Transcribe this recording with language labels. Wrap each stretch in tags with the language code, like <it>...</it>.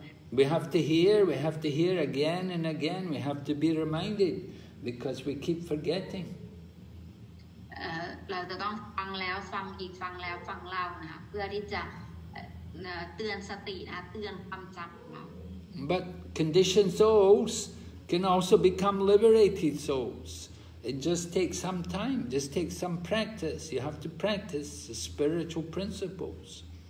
<en>We have to hear again and again, we have to be reminded because we keep forgetting.</en> <th>เราจะต้องฟังแล้วฟังอีกฟังแล้วฟังเล่านะคะเพื่อที่จะเตือนสตินะเตือนความจำ</th> <en>But conditioned souls can also become liberated souls. It just takes some time, just takes some practice. You have to practice the spiritual principles.</en>